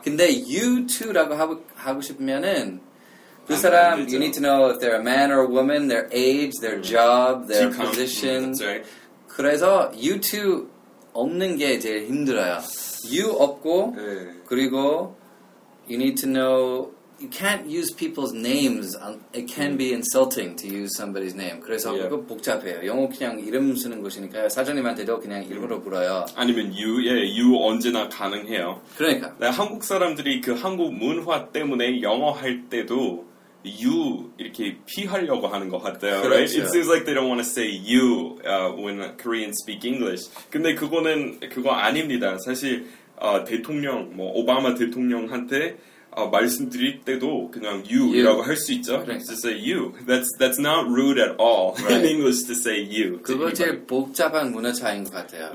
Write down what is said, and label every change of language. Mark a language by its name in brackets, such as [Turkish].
[English] 근데 you too라고 [Korean] 하고 싶으면은 그 사람 [English] you need to know if they're a man or a woman, their age, their job, their position. Right. [Korean] 그래서 [English] you too [Korean] 없는 게 제일 힘들어요. You 없고 네. [English] 그리고 you need to know you can't use people's names. It can be insulting to use somebody's name. 그래서 yeah. [Korean] 그거 복잡해요. 영어 그냥 이름 쓰는 것이니까요. 사장님한테도 그냥 이름으로 불어요. 아니면 you, 예, yeah, you 언제나 가능해요. 그러니까. 네, 한국 사람들이 그 한국 문화 때문에 영어 할 때도 you 이렇게 피하려고 하는 것 같아요. 그렇죠. [English] Right? It seems like they don't want to say you when Koreans speak English. [Korean] 근데 그거는 그거 아닙니다. 사실 대통령, 뭐 오바마 대통령한테 말씀드릴 때도 그냥 you라고 할 수 있죠. [English] Right. To say you. That's not rude at all right. in English to say you. [Korean] 그거 제일 복잡한 문화 차이인 것 같아요.